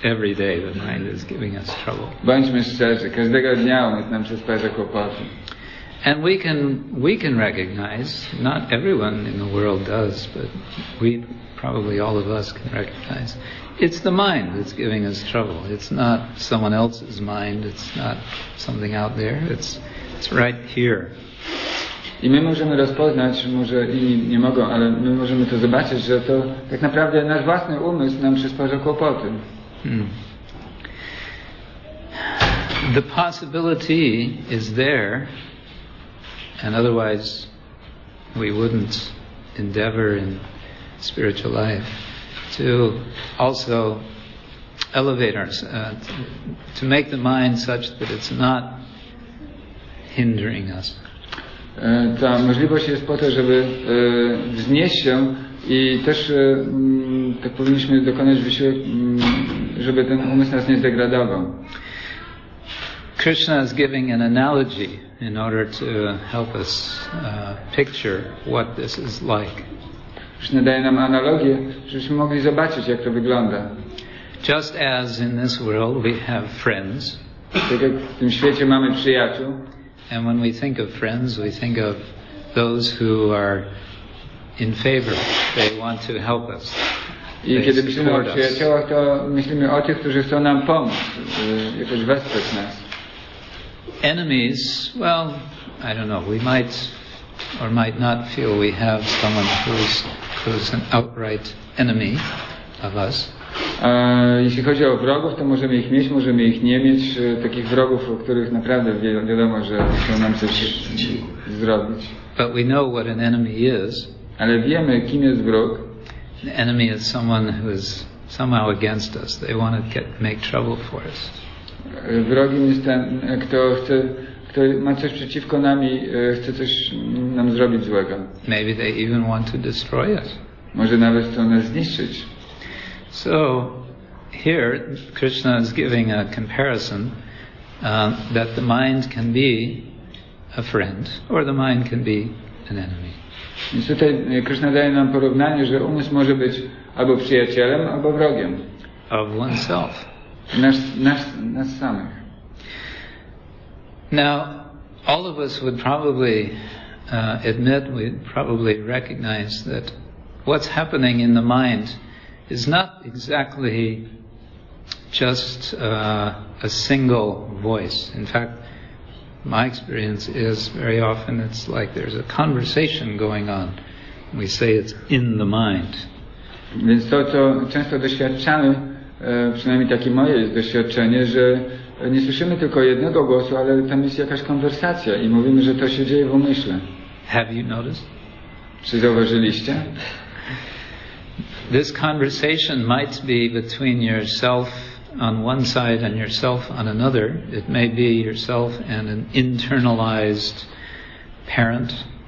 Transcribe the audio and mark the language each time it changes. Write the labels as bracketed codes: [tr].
[en] Every day the mind is giving us trouble. [pl] Bądźmy szczerzy, każdego dnia umysł nam przysparza kłopoty. [en] And we can recognize, not everyone in the world does, but we probably all of us can recognize, it's the mind that's giving us trouble. It's not someone else's mind, it's not something out there, it's right here. [pl] I my możemy rozpoznać, może inni nie mogą, ale my możemy to zobaczyć, że to tak naprawdę nasz własny umysł nam przysparza kłopoty. [en] The possibility is there, and otherwise we wouldn't endeavor in spiritual life to also elevate ourselves, to make the mind such that it's not hindering us. [pl] Ta możliwość jest po to, żeby wznieść się i też tak powinniśmy dokonać wysiłek, żeby ten umysł nas nie zdegradował. [en] Krishna is giving an analogy in order to help us picture what this is like. [pl] Krishna daje nam analogię, żebyśmy mogli zobaczyć, jak to wygląda. [en] Just as in this world we have friends, [pl] tak jak w tym świecie mamy przyjaciół, [en] and when we think of friends, we think of those who are in favor. They want to help us. [pl] I kiedy myślimy o przyjaciołach, to myślimy o tych, którzy chcą nam pomóc, jakoś wesprzeć nas. [en] Enemies, well, I don't know, we might or might not feel we have someone who's an outright enemy of us. [pl] Jeśli chodzi o wrogów, to możemy ich mieć, możemy ich nie mieć. Takich wrogów, o których naprawdę wiadomo, że chcą nam coś zrobić. [en] But we know what an enemy is. [pl] Ale wiemy, kim jest wróg. [en] An enemy is someone who is somehow against us. They want to make trouble for us. [pl] Wrogiem jest ten, kto ma coś przeciwko nam i chce coś nam zrobić złego. [en] Maybe they even want to destroy us. [pl] Może nawet chcą nas zniszczyć. [en] So here Krishna is giving a comparison that the mind can be a friend or the mind can be an enemy. [pl] Więc tutaj Krishna daje nam porównanie, że umysł może być albo przyjacielem, albo wrogiem. [en] Of oneself. [pl] Nas samych. [en] Now, all of us would probably admit, we'd probably recognize that what's happening in the mind is not exactly just a single voice. In fact, my experience is very often it's like there's a conversation going on. We say it's in the mind. [pl] Więc to, co często doświadczamy, przynajmniej takie moje jest doświadczenie, że nie słyszymy tylko jednego głosu, ale tam jest jakaś konwersacja i mówimy, że to się dzieje w umyśle. [en] Have you noticed? [pl] Czy zauważyliście? [en] This conversation might be between yourself on one side and yourself on another. It may be yourself and an internalized parent.